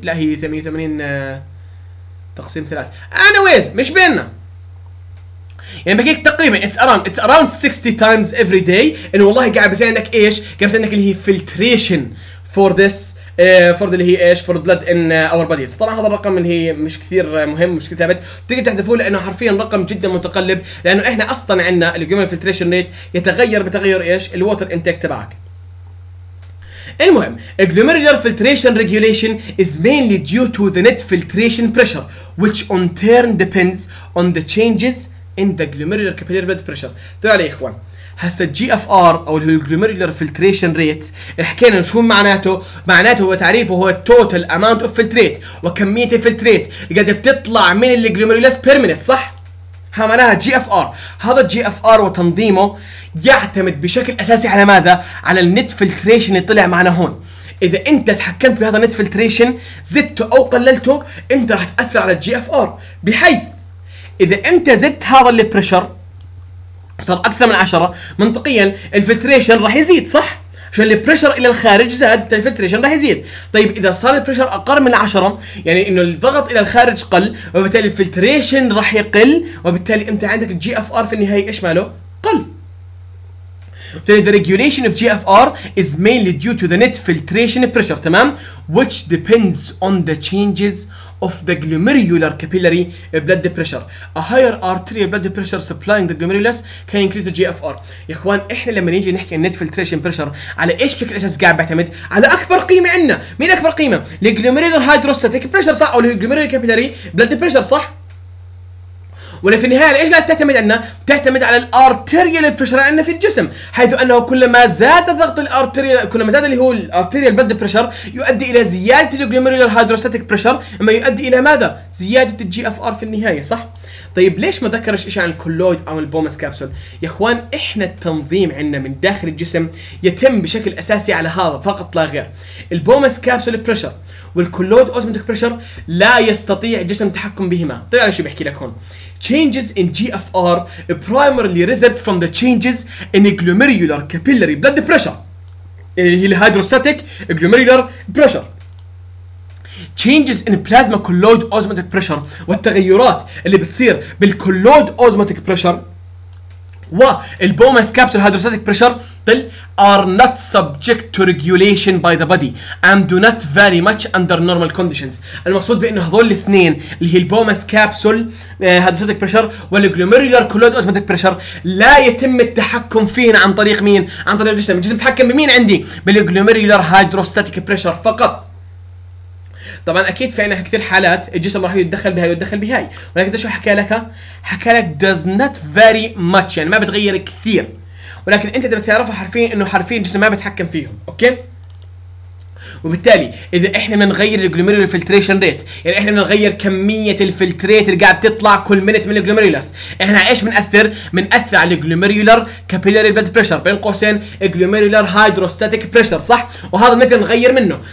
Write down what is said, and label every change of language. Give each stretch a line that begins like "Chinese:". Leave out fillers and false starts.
Arabic: لا هي 180 تقسيم 3 انا ويز مش بيننا, يعني بكيك تقريبا
English: it's around 60 times every day
Arabic: انه والله قاعد بصير عندك ايش؟ قاعد بصير عندك اللي هي filtration for this for اللي هي ايش؟ for blood in our bodies. طبعا هذا الرقم اللي هي مش كثير مهم, مش كثير ثابت, تقدر تحذفوه لانه حرفيا رقم جدا متقلب, لانه احنا اصلا عندنا الجلوميرولر filtration rate يتغير بتغير ايش؟ الووتر انتيك تبعك.
English: المهم الجلوميرولر filtration regulation is mainly due to the net filtration pressure which on turn depends on the changes in the glomerular capillary blood pressure.
Arabic: طلع لي يا اخوان هسا GFR او اللي هو الجلوميرولر filtration rate حكينا شو معناته. معناته هو تعريفه هو total amount of filtrate وكمية الفلتريت قد بتطلع من الجلوميرولس per minute, صح؟ ها معناها GFR. هذا GFR وتنظيمه يعتمد بشكل اساسي على ماذا؟ على النت فلتريشن اللي طلع معنا هون. اذا انت تحكمت بهذا النت فلتريشن زدته او قللته انت راح تاثر على الجي اف ار, بحيث اذا انت زدت هذا البريشر صار اكثر من 10 منطقيا الفلتريشن راح يزيد, صح؟ عشان البريشر الى الخارج زاد الفلتريشن راح يزيد. طيب اذا صار البريشر اقل من 10 يعني انه الضغط الى الخارج قل وبالتالي الفلتريشن راح يقل, وبالتالي انت عندك الجي اف ار في النهايه ايش ماله؟ قل.
English: The regulation of GFR is mainly due to the net filtration pressure, تمام? Which depends on the changes of the glomerular capillary blood pressure. A higher arterial blood pressure supplying the glomerulus can increase the GFR.
Arabic: يا اخوان احنا لما نيجي نحكي عن نت فلتريشن بريشر على ايش فكره الاساس قاعد بعتمد؟ على اكبر قيمه عندنا، مين اكبر قيمه؟ الجلوميرولر هايدروستاتيك بريشر صح؟ او الجلوميرولر كابيلاري بلد بريشر صح؟ ولا في النهايه على ايش قاعد تعتمد عندنا؟ تعتمد على الارتيريال بريشر عندنا في الجسم، حيث انه كلما زاد ضغط الارتيريال كلما زاد اللي هو الارتيريال بلد بريشر يؤدي الى زياده الجلوميرولر هايدروستاتيك بريشر، ما يؤدي الى ماذا؟ زياده الجي اف ار في النهايه صح؟ طيب ليش ما ذكرش إشي عن الكولويد أو البومس كابسول؟ يا إخوان إحنا التنظيم عندنا من داخل الجسم يتم بشكل أساسي على هذا فقط لا غير. البومس كابسول بريشر والكولويد أوزمتك بريشر لا يستطيع الجسم التحكم بهما. طيب أنا شو بحكي لك هون؟
English: changes in GFR primarily result from the changes in glomerular capillary blood pressure
Arabic: اللي هي الهيدروستاتيك
English: glomerular pressure. changes in plasma colloid osmotic pressure
Arabic: والتغيرات اللي بتصير بالcolloid osmotic pressure والبومس كابسول هيدروستاتيك بريشر طل
English: are not subject to regulation by the body and do not vary much under normal conditions.
Arabic: المقصود بانه هذول الاثنين اللي هي البومس كابسول هيدروستاتيك بريشر والجلوميرولر كولويد اوزمتك بريشر لا يتم التحكم فيهن عن طريق مين؟ عن طريق الجسم. الجسم يتحكم بمين عندي؟ بالجلوميرولر هيدروستاتيك بريشر فقط. طبعا اكيد في عندنا كثير حالات الجسم راح يتدخل بهاي ويتدخل بهاي، ولكن ده شو حكى لك؟ حكى لك
English: does not vary much
Arabic: يعني ما بتغير كثير، ولكن انت بدك تعرفها حرفيا انه حرفيا الجسم ما بيتحكم فيهم، اوكي؟ وبالتالي اذا احنا بنغير الجلوميرولر فلتريشن ريت، يعني احنا بنغير كميه الفلتريت اللي قاعد تطلع كل منت من الجلوميرولس، احنا ايش بناثر؟ بناثر على الجلوميرولر كابيلاري بلد بريشر، بين قوسين الجلوميرولر هايدروستاتيك بريشر صح؟ وهذا نقدر نغير منه.